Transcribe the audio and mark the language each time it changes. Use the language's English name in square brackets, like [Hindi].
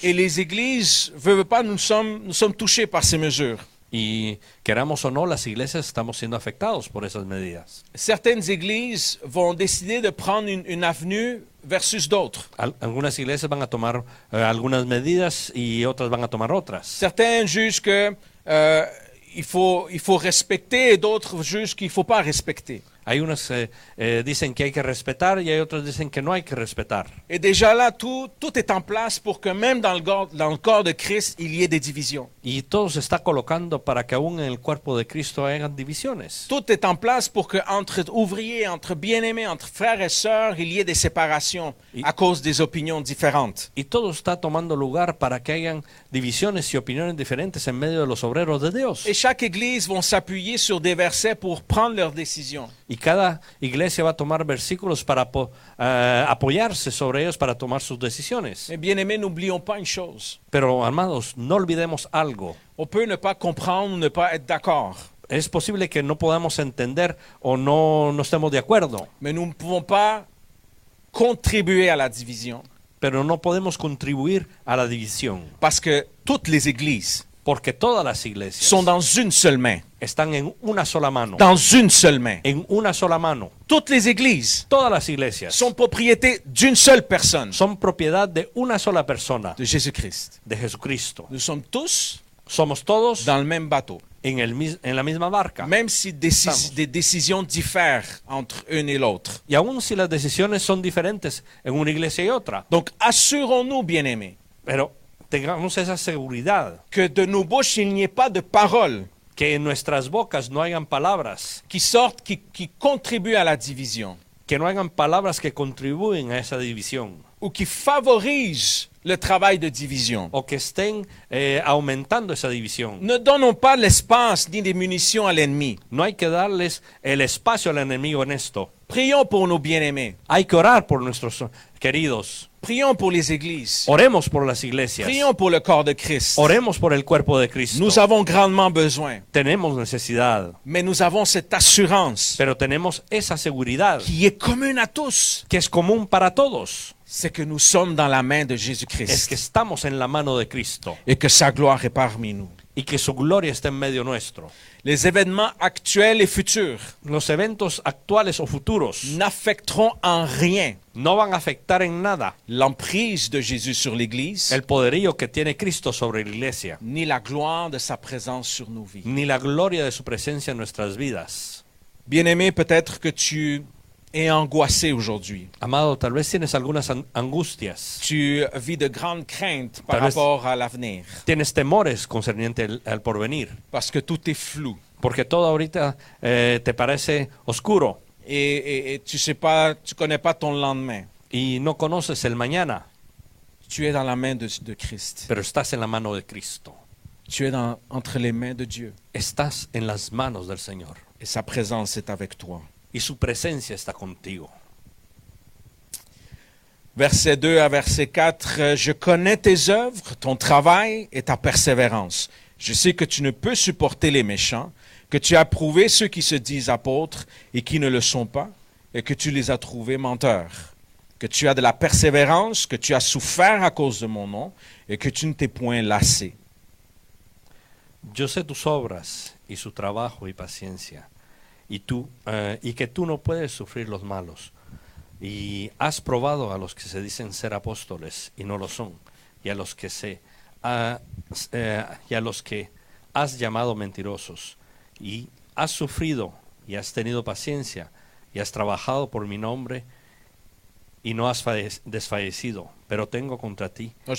[French] Et les églises, veuve pas, nous sommes touchés par ces mesures. [Spanish] Y queramos o no, las iglesias estamos siendo afectados por esas medidas. [French] Certaines églises vont décider de prendre une avenue versus d'autres. [Spanish] Algunas iglesias van a tomar algunas medidas y otras van a tomar otras. [French] Certains jugent que il faut respecter et d'autres jugent qu'il faut pas respecter. [Spanish] Hay unos dicen que hay que respetar y hay otros dicen que no hay que respetar. [French] Et déjà là tout est en place pour que même dans le corps de Christ il y ait des divisions. [Spanish] Y todo se está colocando para que aún en el cuerpo de Cristo hayan divisiones. [French] Tout est en place pour que entre ouvriers, entre bien-aimés, entre frères et sœurs, il y ait des séparations à cause des opinions différentes. [Spanish] Y todo está tomando lugar para que hayan divisiones y opiniones diferentes en medio de los obreros de Dios. [French] Et chaque église vont s'appuyer sur des versets pour prendre leurs décisions. [Spanish] Y cada iglesia va a tomar versículos para apoyarse sobre ellos para tomar sus decisiones. [French] Bien-aimés, n'oublions pas une chose. [Spanish] Pero amados, no olvidemos algo. [French] On peut ne pas comprendre, ne pas être d'accord. [Spanish] Es posible que no podamos entender o no estemos de acuerdo. [French] Mais nous ne pouvons pas contribuer à la division. [Spanish] Pero no podemos contribuir a la división. [French] Parce que toutes les églises. [Spanish] Porque todas las iglesias [French] sont dans une seule main. [Spanish] Están en una sola mano. [French] Dans une seule main. [Spanish] En una sola mano. [French] Toutes les églises. [Spanish] Todas las iglesias. [French] Sont propriété d'une seule personne. [Spanish] Son propiedad de una sola persona. [French] De Jésus-Christ. [Spanish] De Jesucristo. [French] Nous sommes tous. [Spanish] Somos todos. [French] Dans le même bateau. [Spanish] En la misma barca. [French] Même si des décisions diffèrent entre une et l'autre. [Spanish] Y aun si las decisiones son diferentes en una iglesia y otra. [French] Donc assurons-nous, bien-aimés. [Spanish] Pero tengamos esa seguridad. [French] Que de nos bouches il n'y ait pas de paroles. [Spanish] Que en nuestras bocas no hayan palabras. [French] Qui sortent, qui contribuent à la division. [Spanish] Que no hayan palabras que contribuyen a esa división. [French] Ou qui favorisent le travail de division. [Spanish] O que estén aumentando esa división. [French] Ne donnons pas l'espace ni des munitions à l'ennemi. [Spanish] No hay que darles el espacio al enemigo en esto. [French] Prions pour nos bien-aimés. [Spanish] Hay que orar por nuestros queridos. [French] Prions pour les églises. [Spanish] Oremos por las iglesias. [French] Prions pour le corps de Christ. [Spanish] Oremos por el cuerpo de Cristo. [French] Nous avons grandement besoin. [Spanish] Tenemos necesidad. [French] Mais nous avons cette assurance. [Spanish] Pero tenemos esa seguridad. [French] Qui est commune à tous. [Spanish] Que es común para todos. [French] C'est que nous sommes dans la main de Jésus-Christ. [Spanish] Es que estamos en la mano de Cristo. [French] Et que sa gloire est parmi nous. [Spanish] Y que su gloria está en medio nuestro. [French] Les événements actuels et futurs. [Spanish] Los eventos actuales o futuros. [French] N'affecteront en rien. [Spanish] No van a afectar en nada. [French] L'emprise de Jésus sur l'Église. [Spanish] El poderío que tiene Cristo sobre la Iglesia. [French] Ni la gloire de sa présence sur nos vies. [Spanish] Ni la gloria de su presencia en nuestras vidas. [French] Bien-aimé, peut-être que tu es angoissé aujourd'hui. [Spanish] Amado, tal vez tienes algunas angustias. [French] Tu vis de grandes craintes par rapport à l'avenir. [Spanish] Tienes temores concerniente al porvenir. [French] Parce que tout est flou. [Spanish] Porque todo ahorita te parece oscuro. [French] Et tu sais pas, tu connais pas ton lendemain. [Spanish] Y no conoces el mañana. [French] Tu es dans la main de Christ. [Spanish] Pero estás en la mano de Cristo. [French] Tu es entre les mains de Dieu. [Spanish] Estás en las manos del Señor. [French] Et sa présence est avec toi. [Spanish] Y su presencia está contigo. [French] Verset 2 à verset 4. Je connais tes œuvres, ton travail et ta persévérance. Je sais que tu ne peux supporter les méchants, que tu as prouvé ceux qui se disent apôtres et qui ne le sont pas, et que tu les as trouvés menteurs. Que tu as de la persévérance, que tu as souffert à cause de mon nom, et que tu ne t'es point lassé. Je sais tes œuvres et son travail et patience. [Spanish] Y que tú no puedes sufrir los malos. Y has probado a los que se dicen ser apóstoles y no lo son, y a los que se y a los que has llamado mentirosos, y has sufrido y has tenido paciencia y has trabajado por mi nombre y no has desfallecido, pero tengo contra ti.